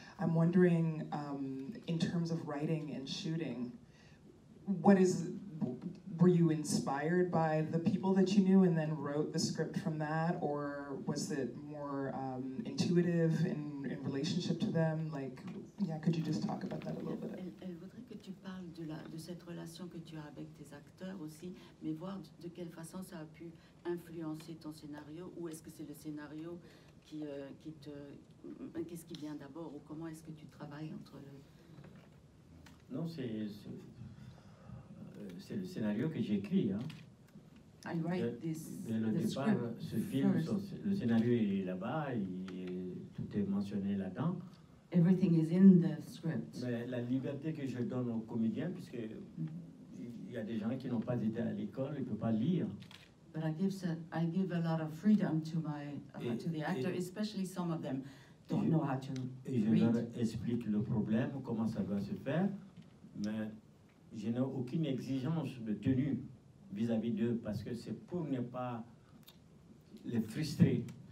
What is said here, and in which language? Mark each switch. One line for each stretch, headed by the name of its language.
English: I'm wondering, in terms of writing and shooting, were you inspired by the people that you knew and then wrote the script from that, or was it more intuitive in relationship to them? Like, yeah, could you just talk about that a little bit?
French: Elle voudrait que tu parles de cette relation que tu as avec tes acteurs aussi, mais voir de quelle façon ça a pu influencer ton scénario, ou est-ce que c'est le scénario qu'est-ce qui vient d'abord, ou comment est-ce que tu travailles entre le... Non, c'est le scénario que j'écris.
English: I write this,
French: le départ, ce film, le scénario, il là-bas, et tout est mentionné là-dedans.
English: Everything is in the script.
French: Mais la liberté que je donne aux comédiens, puisque il y a des gens qui n'ont pas été à l'école, ils ne peuvent pas lire.
English: But I give a lot of freedom to the actor, especially some of them don't know how to read.
French: Et je leur explique le problème, comment ça va se faire, mais je n'ai aucune exigence de tenue vis-à-vis d'eux, parce que c'est pour ne pas les frustrer.